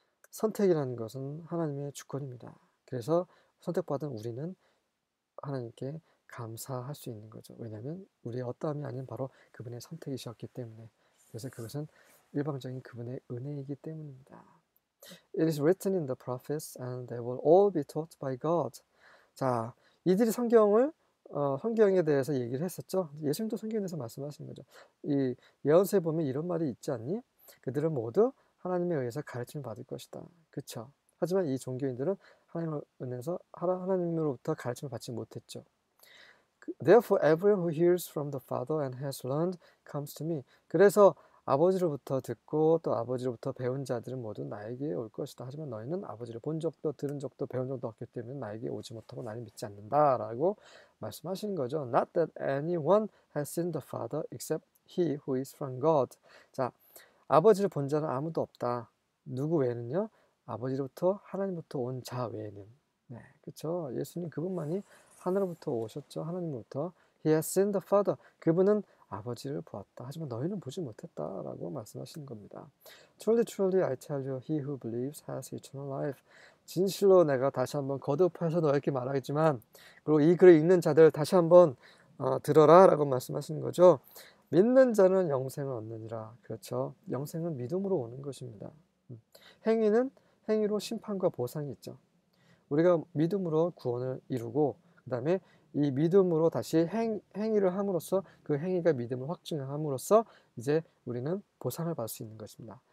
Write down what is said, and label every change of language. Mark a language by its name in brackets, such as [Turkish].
[Korean] 선택이라는 것은 하나님의 주권입니다. 그래서 선택받은 우리는 하나님께 감사할 수 있는 거죠. 왜냐하면 우리의 어떠함이 아닌 바로 그분의 선택이셨기 때문에, 그래서 그것은 일방적인 그분의 은혜이기 때문입니다. [English] It is written in the prophets, and they will all be taught by God. [Korean] 자, 이들이 성경에 대해서 얘기를 했었죠. 예수님도 성경에 대해서 말씀하신 거죠. 이 예언서에 보면 이런 말이 있지 않니? 그들은 모두 하나님에 의해서 가르침을 받을 것이다. 그렇죠. 하지만 이 종교인들은 하나님으로부터 가르침을 받지 못했죠. [English] Therefore, everyone who hears from the Father and has learned comes to me. [Korean] 그래서 아버지로부터 듣고 또 아버지로부터 배운 자들은 모두 나에게 올 것이다. 하지만 너희는 아버지를 본 적도 들은 적도 배운 적도 없기 때문에 나에게 오지 못하고 나를 믿지 않는다라고 말씀하시는 거죠. [English] Not that anyone has seen the Father except he who is from God. [Korean] 자, 아버지를 본 자는 아무도 없다. 누구 외에는요? 아버지로부터 하나님부터 온자 외에는. 그렇죠. 예수님 그분만이 하늘로부터 오셨죠. 하나님부터. [English] He has seen the Father. [Korean] 그분은 아버지를 보았다. 하지만 너희는 보지 못했다라고 말씀하시는 겁니다. [English] Truly, truly, I tell you, he who believes has eternal life. [Korean] 진실로 내가 다시 한번 거듭해서 너에게 말하겠지만, 그리고 이 글을 읽는 자들 다시 한번 들어라라고 말씀하시는 거죠. 믿는 자는 영생을 얻느니라. 그렇죠. 영생은 믿음으로 오는 것입니다. 행위는 행위로 심판과 보상이 있죠. 우리가 믿음으로 구원을 이루고, 그다음에 이 믿음으로 다시 행위를 함으로써 그 행위가 믿음을 확증함으로써 이제 우리는 보상을 받을 수 있는 것입니다.